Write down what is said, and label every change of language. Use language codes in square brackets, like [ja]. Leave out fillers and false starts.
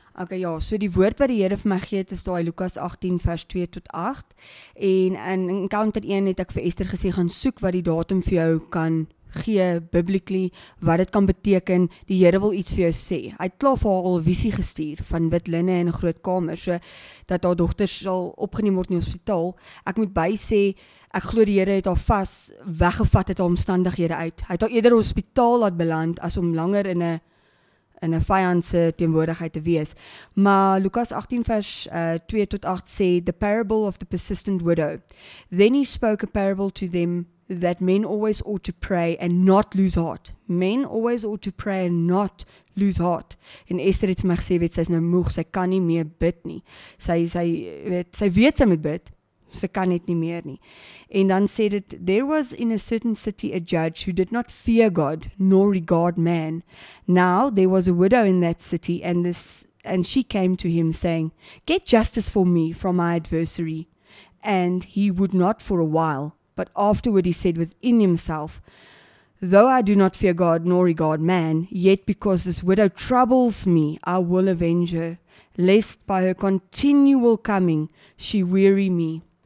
[af] Ok ja, so die woord wat die Here vir my gee het is daai Lukas 18 vers 2 tot 8. En in Encounter 1 het ek vir Esther gesê gaan soek wat die datum vir jou kan gee biblically wat dit kan beteken, die Here wil iets vir jou sê. Hy het klaar vir haar al visie gestuur van wit linne en 'n groot kamer, so dat haar dogters sal opgeneem word in die hospitaal. Ek moet bysê, ek glo die Here het haar vas weggevat uit haar omstandighede uit. Hy het haar eerder hospitaal laat beland as om langer in 'n vyandse teenwoordigheid te wees. Maar Lukas 18 vers 2 tot 8 sê, [en] the parable of the persistent widow. Then he spoke a parable to them that men always ought to pray and not lose heart. Men always ought to pray and not lose heart. [af] En Esther het my gesê, weet, sy is nou moeg, sy kan nie meer bid nie. Sy weet sy moet bid, sy kan net nie meer nie. En dan sê dit, [en] there was in a certain city a judge who did not fear God nor regard man. Now there was a widow in that city and she came to him saying, get justice for me from my adversary. And he would not for a while. But afterward he said within himself, though I do not fear God nor regard man, yet because this widow troubles me, I will avenge her, lest by her continual coming she weary me.